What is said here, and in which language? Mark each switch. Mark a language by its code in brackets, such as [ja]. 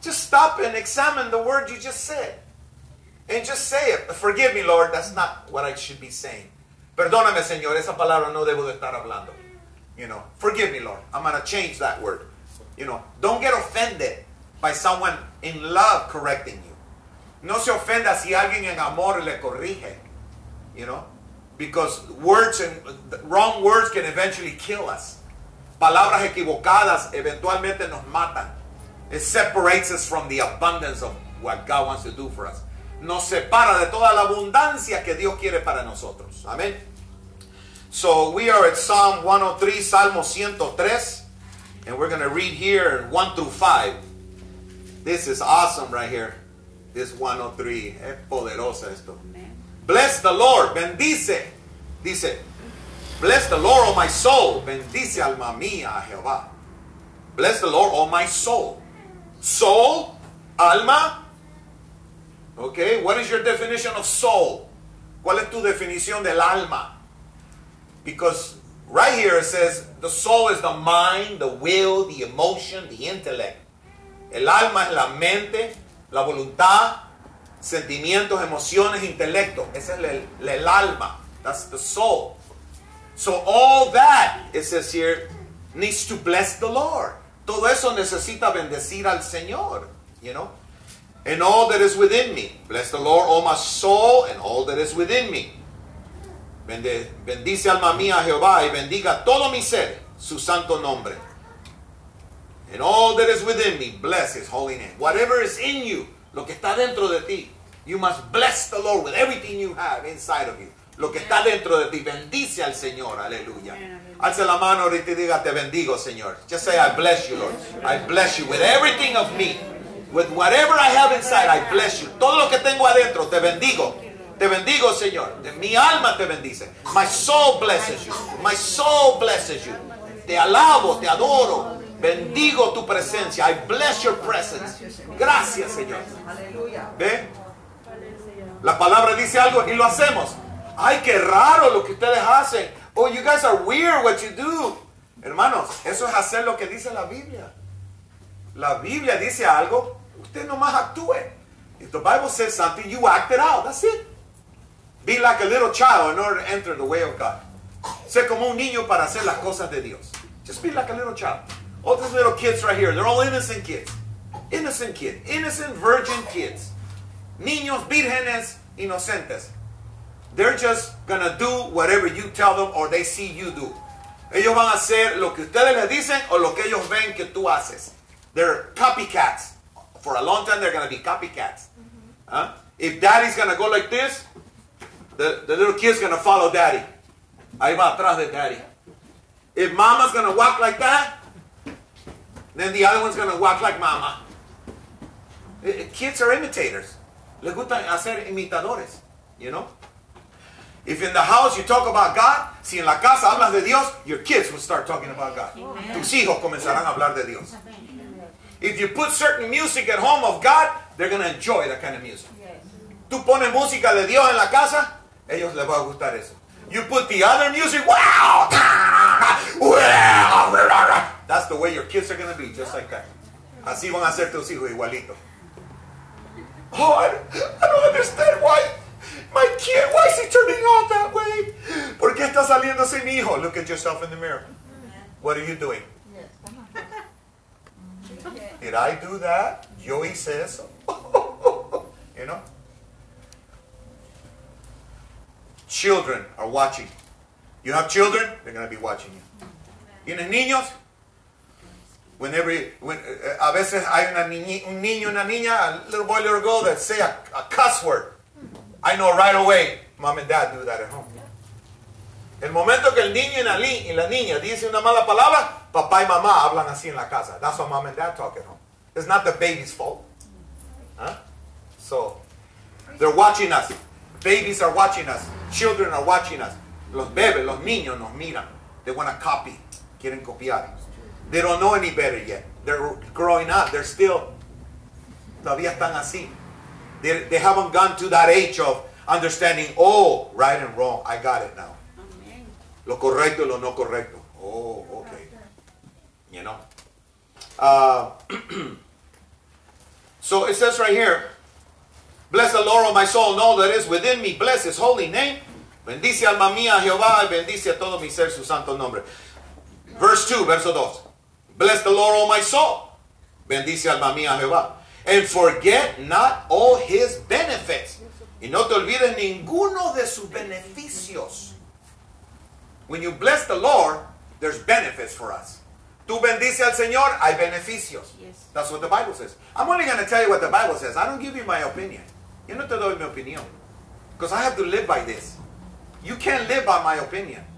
[en] Just stop and examine the word you just said. And just say it. Forgive me, Lord. That's not what I should be saying. [es] Perdóname, Señor. Esa palabra no debo de estar hablando. [en] You know, forgive me, Lord. I'm going to change that word. You know, don't get offended by someone in love correcting you. [es] No se ofenda si alguien en amor le corrige. [en] You know? Because words and wrong words can eventually kill us. [es] Palabras equivocadas eventualmente nos matan. [en] It separates us from the abundance of what God wants to do for us. [es] nos separa de toda la abundancia que Dios quiere para nosotros. Amén. [en] So we are at Psalm 103, [es] Salmo 103, [en] and we're going to read here 1 through 5. This is awesome right here. This 103, [es] es poderosa esto. [en] Bless the Lord, [es] bendice, dice, [en] bless the Lord, oh my soul, [es] bendice alma mía a Jehová. [en] Bless the Lord, oh my soul. Soul, alma, okay, what is your definition of soul? [es] ¿Cuál es tu definición del alma? [en] Because right here it says, the soul is the mind, the will, the emotion, the intellect. [es] El alma es la mente, la voluntad, sentimientos, emociones, intelecto. Ese es el alma. [en] That's the soul. So all that, it says here, needs to bless the Lord. [es] Todo eso necesita bendecir al Señor. [en] You know? And all that is within me. Bless the Lord, oh my soul, and all that is within me. [es] Bendice alma mía Jehová y bendiga todo mi ser, su santo nombre. [en] And all that is within me, bless his holy name. Whatever is in you, [es] lo que está dentro de ti, [en] you must bless the Lord with everything you have inside of you. [es] Lo que está dentro de ti, bendice al Señor, aleluya. Alce la mano y te diga, te bendigo, Señor. [en] Just say, I bless you, Lord. I bless you with everything of me. With whatever I have inside, I bless you. [es] Todo lo que tengo adentro, te bendigo. Te bendigo, Señor. Mi alma te bendice. [en] My soul blesses you. My soul blesses you. [es] Te alabo, te adoro. Bendigo tu presencia. [en] I bless your presence. [es] Gracias, Señor. ¿Ve? La palabra dice algo y lo hacemos. Ay, qué raro lo que ustedes hacen. [en] Oh, you guys are weird what you do. [es] Hermanos, eso es hacer lo que dice la Biblia. La Biblia dice algo, usted nomás actúe. [en] If the Bible says something, you act it out. That's it. Be like a little child in order to enter the way of God. [es] Sé como un niño para hacer las cosas de Dios. [en] Just be like a little child. All these little kids right here, they're all innocent kids. Innocent kids. Innocent virgin kids. [es] Niños, vírgenes, inocentes. [en] They're just gonna do whatever you tell them or they see you do. [es] Ellos van a hacer lo que ustedes les dicen o lo que ellos ven que tú haces. [en] They're copycats. For a long time, they're going to be copycats. Mm-hmm. Huh? If daddy's going to go like this, the little kid's going to follow daddy. [es] Ahí va atrás de daddy. [en] If mama's going to walk like that, then the other one's going to walk like mama. Kids are imitators. [es] Le gusta hacer imitadores, [en] you know? If in the house you talk about God, [es] si en la casa hablas de Dios, [en] your kids will start talking about God. Amen. [es] Tus hijos comenzarán a hablar de Dios. [en] If you put certain music at home of God, they're going to enjoy that kind of music. Yes. [es] Tú pones música de Dios en la casa, ellos les va a gustar eso. [en] You put the other music, wow! That's the way your kids are going to be, just like that. [es] Así van a ser tus hijos, igualito. [en] Oh, I don't understand why my kid, why is he turning out that way? [es] ¿Por qué está saliendo ese hijo? [en] Look at yourself in the mirror. What are you doing? Did I do that? [es] Yo hice eso. [en] You know? Children are watching. You have children, they're going to be watching you. [es] ¿Tienes niños? A veces hay un niño, una niña, [en] a little boy, little girl [es] that say a cuss word. [en] I know right away, mom and dad do that at home. [es] El momento que el niño y la niña dice una mala palabra, papá y mamá hablan así en la casa. [en] That's what mom and dad talk at home. It's not the baby's fault. Huh? So, they're watching us. Babies are watching us. Children are watching us. [es] Los bebés, los niños nos miran. [en] They want to copy. [es] Quieren copiar. [en] They don't know any better yet. They're growing up. They're still, [es] todavía están así. [en] They haven't gone to that age of understanding, oh, right and wrong. I got it now. Amen. [es] Lo correcto y lo no correcto. [en] Oh, okay. You know? So it says right here, bless the Lord, O my soul, and all that is within me. Bless his holy name. [es] Bendice alma mía, Jehová, y bendice a todo mi ser su santo nombre. [en] Verse 2, [es] verso 2. [en] Bless the Lord, O my soul. [es] Bendice alma mía, Jehová. [en] And forget not all his benefits. [es] Y no te olvides ninguno de sus beneficios. [en] When you bless the Lord, there's benefits for us. [es] Tú bendice al Señor, hay beneficios. [en] Yes. That's what the Bible says. I'm only going to tell you what the Bible says. I don't give you my opinion. [es] Yo no te doy mi opinión. [en] Because I have to live by this. You can't live by my opinion.